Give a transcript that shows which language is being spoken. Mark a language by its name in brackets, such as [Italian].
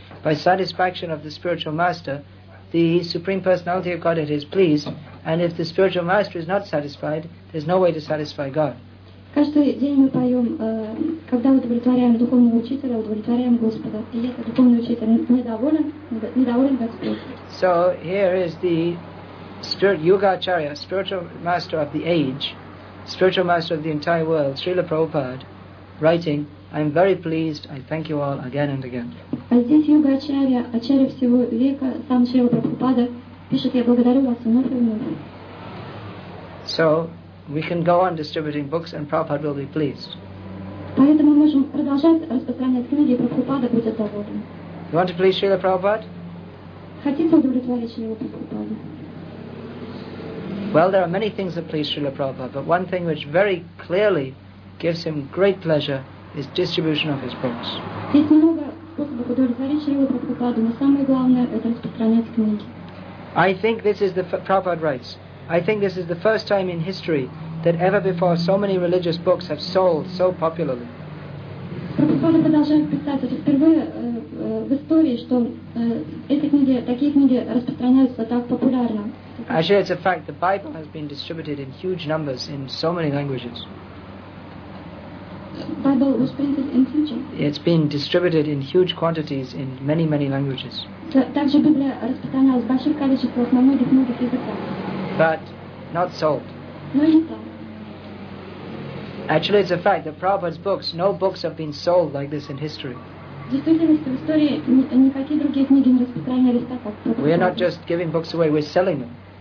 [English] By satisfaction of the spiritual master, the Supreme Personality of Godhead is pleased, and if the spiritual master is not satisfied, there's no way to satisfy God. [Russian] Каждый день мы поем, когда удовлетворяем духовного учителя, удовлетворяем Господа. И если духовный учитель недоволен Господь. [English] So here is the spirit Yugacharya, spiritual master of the age, spiritual master of the entire world, Srila Prabhupada, writing, "I'm very pleased, I thank you all again and again." [Russian] А здесь Yugacharya, Ачарья всего века, сам Шрила Прабхупада, пишет, "Я благодарю вас вновь и вновь." [English] So we can go on distributing books and Prabhupada will be pleased. [Russian] Поэтому мы можем продолжать распространять книги, и Прабхупада будет доволен. [English] You want to please Srila Prabhupada? [Russian] Хотите удовлетворить Шрила Прабхупада? [English] Well, there are many things that please Srila Prabhupada, but one thing which very clearly gives him great pleasure is distribution of his books. [Russian] Есть много способов удовлетворить Шрила Прабхупаду, но самое главное – это распространять книги. [English] I think this is the Prabhupada writes. I think this is the first time in history that ever before so many religious books have sold so popularly. [Russian] Прабхупада продолжает писать, это впервые в истории, что эти книги, такие книги распространяются так популярно. [English] Actually, it's a fact the Bible has been distributed in huge numbers in so many languages. Bible was printed in huge. It's been distributed in huge quantities in many, many languages. [Russian] Также Библия распространялась в больших количествах на многих, многих языках. [English] But not sold. [Russian] Но не так. [English] Actually, it's a fact that Prabhupada's books, no books have been sold like this in history. We are not just giving books away, we're selling them.